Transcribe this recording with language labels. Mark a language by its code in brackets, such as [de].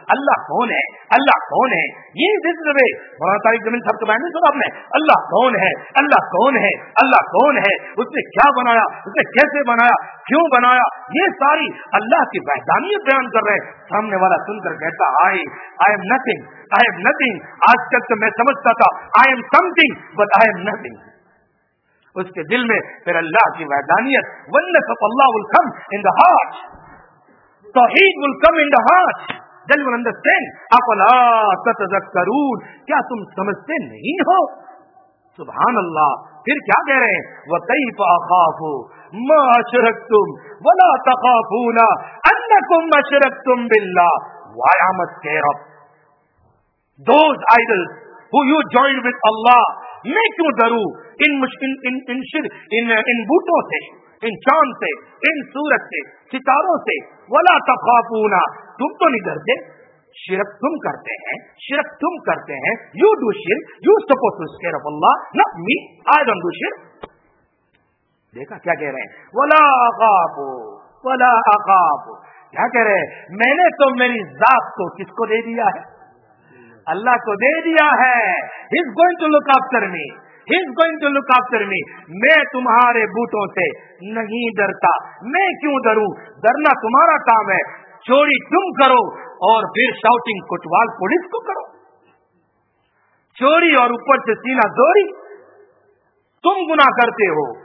[ur] اللہ کون ہے, اللہ کون ہے؟ یہ [en] This is the way. [ur] مولانا طارق جمیل صاحب کے بارے میں سنا آپ نے, اللہ کون ہے, اللہ کون ہے, اللہ کون ہے, اس نے کیا بنایا, اس نے کیسے بنایا, کیوں بنایا. یہ ساری اللہ کی وحدانیت بیان کر رہے ہیں. سامنے والا سن کر کہتا [en] I am nothing, I am nothing. [ur] آج تک تو میں سمجھتا تھا [en] I am something but I am nothing. [ur] اس کے دل میں پھر اللہ کی وحدانیت. [en] Once of Allah will come in the heart, توحید will come in the heart. دل will understand. [ar] افلا تتذکرون, [ur] کیا تم سمجھتے نہیں ہو؟ سبحان اللہ. پھر کیا کہہ رہے ہیں؟ [ar] وکیف اخاف ما اشرکتم ولا تخافون انکم اشرکتم باللہ. [en] Why am scare of those idols who you joined with Allah. [ur] میں کیوں ضرور ان بوٹوں سے, ان چاند سے, ان سورج سے, ستاروں سے. [ar] ولا تخافون, [ur] تم تو نہیں ڈرتے. شرک تم کرتے ہیں, شرک تم کرتے ہیں. [en] You do شرک, you suppose to scare of Allah, not me. I don't do شرک. [ur] دیکھا کیا کہہ رہے ہیں؟ [ar] ولا اخاف, ولا اخاف. [ur] کیا کہہ رہے ہیں؟ میں نے تو میری ذات کو کس کو دے دیا ہے؟ اللہ کو دے دیا ہے. [en] He is going to look after me, he is going to look after me. [ur] میں تمہارے بوٹوں سے نہیں ڈرتا. میں کیوں ڈروں؟ ڈرنا تمہارا کام ہے. چوری تم کرو, اور پھر شاؤٹنگ کوٹوال پولیس کو کرو. چوری اور اوپر سے سینہ دوری, تم گناہ کرتے ہو.